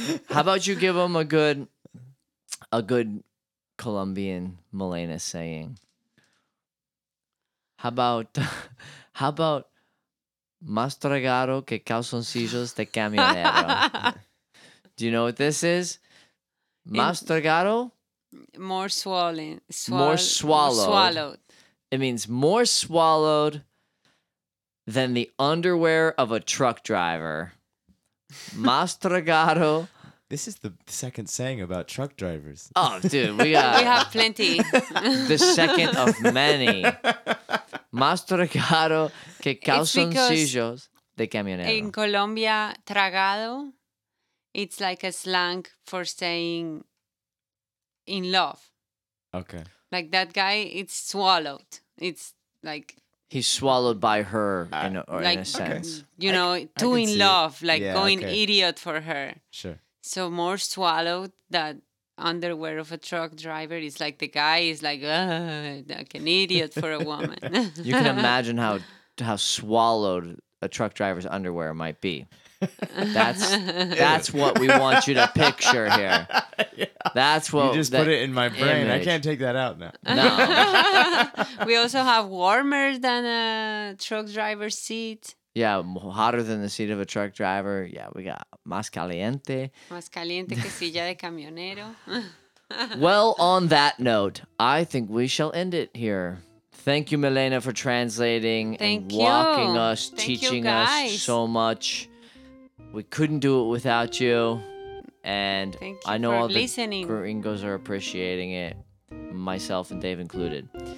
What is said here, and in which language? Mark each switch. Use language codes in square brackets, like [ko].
[en] How about you give them a good Colombian Milena saying? How about [es] más tragado que calzoncillos de camionero? [en] Do you know what this is? [es] Más tragado? [en] More swollen. More swallowed. Swallowed. It means more swallowed than the underwear of a truck driver. [es] Más tragado. [en] This is the second saying about truck drivers. Oh, dude, we have plenty. The second of many. [es] Más tragado que calzoncillos de camionero. [en] In Colombia, tragado, it's like a slang for saying in love. Okay. Like that guy, it's swallowed. It's like... He's swallowed by her in a sense. Okay. You know, too in love, idiot for her. Sure. So more swallowed that underwear of a truck driver is like the guy is like an idiot for a woman. You can imagine how swallowed a truck driver's underwear might be. That's what we want you to picture here. Yeah. That's what you just put it in my brain. Image. I can't take that out now. No. We also have warmer than a truck driver's seat. Yeah, hotter than the seat of a truck driver. Yeah, we got [es] más caliente. Más caliente que silla de camionero. [en] Well, on that note, I think we shall end it here. Thank you, Milena, for translating and teaching us so much. We couldn't do it without you. And I know all listening. The gringos are appreciating it, myself and Dave included.